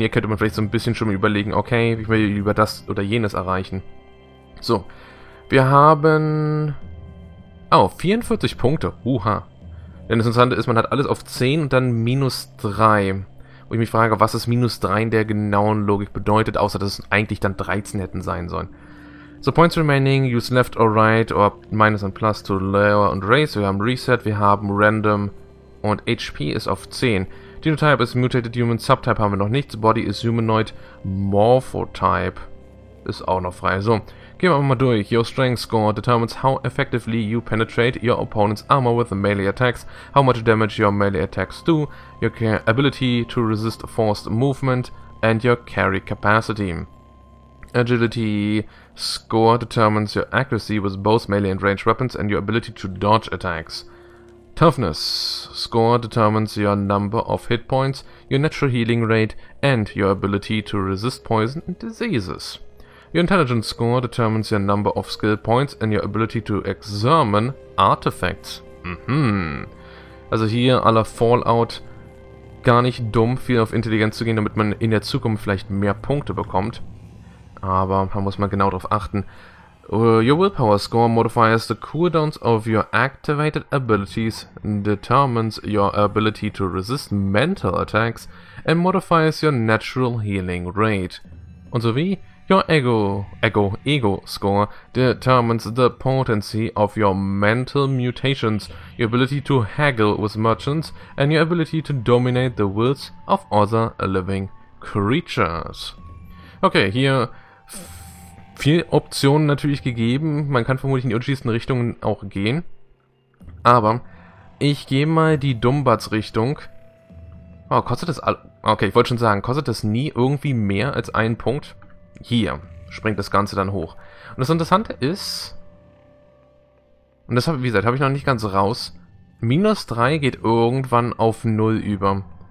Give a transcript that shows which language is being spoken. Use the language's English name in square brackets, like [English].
[German] Hier könnte man vielleicht so ein bisschen schon überlegen, okay, ich will lieber das oder jenes erreichen. So, wir haben... Oh, 44 Punkte, uha. Denn das Interessante ist, man hat alles auf 10 und dann minus 3. Wo ich mich frage, was das minus 3 in der genauen Logik bedeutet, außer dass es eigentlich dann 13 hätten sein sollen. [English] So, points remaining, use left or right, or minus and plus to lower and raise. [German] Wir haben Reset, wir haben Random und HP ist auf 10. Genotype ist Mutated Human, Subtype haben wir noch nichts, Body ist Humanoid, Morphotype ist auch noch frei. So, gehen wir mal durch. [English] Your Strength Score determines how effectively you penetrate your opponent's armor with melee attacks, how much damage your melee attacks do, your ability to resist forced movement and your carry capacity. Agility Score determines your accuracy with both melee and ranged weapons and your ability to dodge attacks. Toughness Score determines your number of hit points, your natural healing rate and your ability to resist poison and diseases. Your Intelligence Score determines your number of skill points and your ability to examine artifacts. [German] Also hier à la Fallout, gar nicht dumm, viel auf Intelligenz zu gehen, damit man in der Zukunft vielleicht mehr Punkte bekommt. Aber da muss man genau drauf achten. [English] Your Willpower Score modifies the cooldowns of your activated abilities, determines your ability to resist mental attacks and modifies your natural healing rate. [German] Und so wie... [English] Your Ego Score determines the potency of your mental mutations, your ability to haggle with merchants, and your ability to dominate the wills of other living creatures. [German] Okay, hier viel Optionen natürlich gegeben. Man kann vermutlich in die unterschiedlichen Richtungen auch gehen. Aber ich gehe mal die Dumbatz-Richtung. Oh, kostet das all... Okay, ich wollte schon sagen, kostet das nie irgendwie mehr als einen Punkt? Hier springt das Ganze dann hoch. Und das Interessante ist, und das habe, wie gesagt, habe ich noch nicht ganz raus, minus 3 geht irgendwann auf 0 über.